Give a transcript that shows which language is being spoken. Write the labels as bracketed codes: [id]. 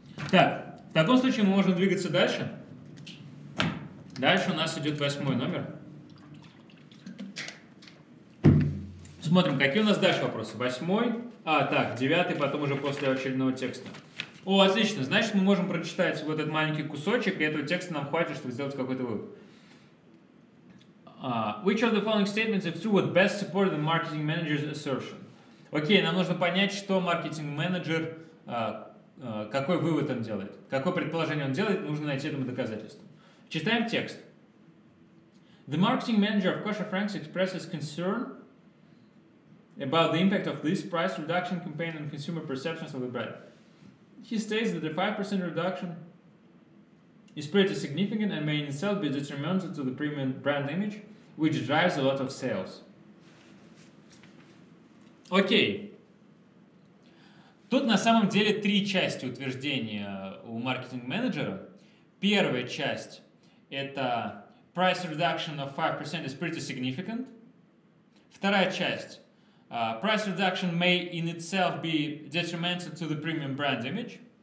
[ru] Так, в таком случае мы можем двигаться дальше. Дальше у нас идет 8 номер. Смотрим, какие у нас дальше вопросы. 8. А, так, 9, потом уже после очередного текста. О, отлично, значит, мы можем прочитать вот этот маленький кусочек, и этого текста нам хватит, чтобы сделать какой-то вывод. [en] Which of the following statements of two would best support the marketing manager's assertion? [ru] Окей, нам нужно понять, что маркетинг-менеджер, какой вывод он делает. Какое предположение он делает, нужно найти этому доказательство. Читаем текст. [en] The marketing manager of Kosher Franks expresses concern about the impact of this price reduction campaign on consumer perceptions of the bread. He states that a 5% reduction is pretty significant and may in itself be detrimental to the premium brand image, which drives a lot of sales. [ru] Окей. Тут на самом деле три части утверждения у маркетинг-менеджера. [en] Первая часть – это price reduction of 5% is pretty significant. Вторая часть – price reduction may in itself be detrimental to the premium brand image.